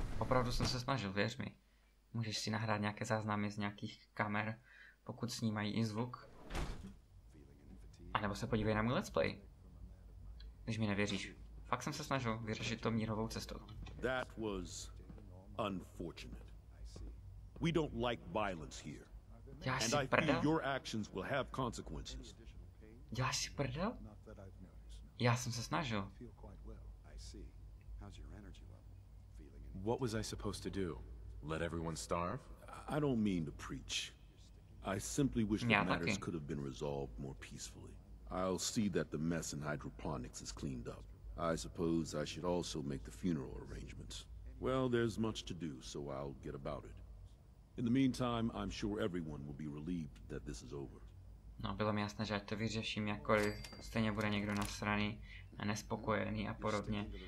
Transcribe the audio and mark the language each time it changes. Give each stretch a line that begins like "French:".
Czech: Opravdu jsem se snažil, věř mi. Můžeš si nahrát nějaké záznamy z nějakých kamer, pokud snímají i zvuk. A nebo se podívej na můj let's play. Když mi nevěříš. Fakt jsem se snažil vyřešit to mírovou cestou.
English: That was unfortunate. We don't like violence here.
Czech: Děláš si prdel?
English: And I fear your actions will have consequences.
Czech: Děláš si prdel? Já jsem se snažil.
English: What was I supposed to do? Let everyone starve? I don't mean to preach. I simply wish the matters could have been resolved more peacefully. I'll see that the mess in hydroponics is cleaned up. I suppose I should also make the funeral arrangements. Well, there's much to do, so I'll get about it. In the meantime, I'm sure everyone will be relieved that this is over.
Czech: No, bylo mi jasné, že ať to vyřeším jakkoliv, stejně bude někdo nasraný a nespokojený a podobně.